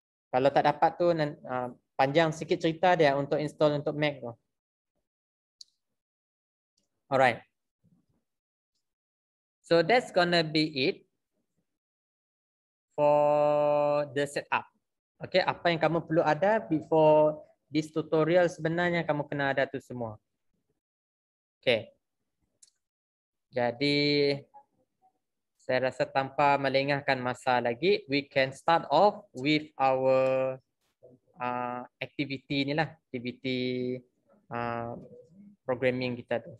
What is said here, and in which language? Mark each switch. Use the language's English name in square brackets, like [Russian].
[Malay] Kalau tak dapat tu, panjang sikit cerita dia untuk install untuk Mac tu. [English] Alright. So that's gonna be it for the setup. [Malay] Okay, apa yang kamu perlu ada [English] before this tutorial [Malay] sebenarnya kamu kena ada tu semua. Okay. Jadi saya rasa tanpa melengahkan masa lagi, [English] we can start off with our activity [Malay] ni lah, activity programming kita tu.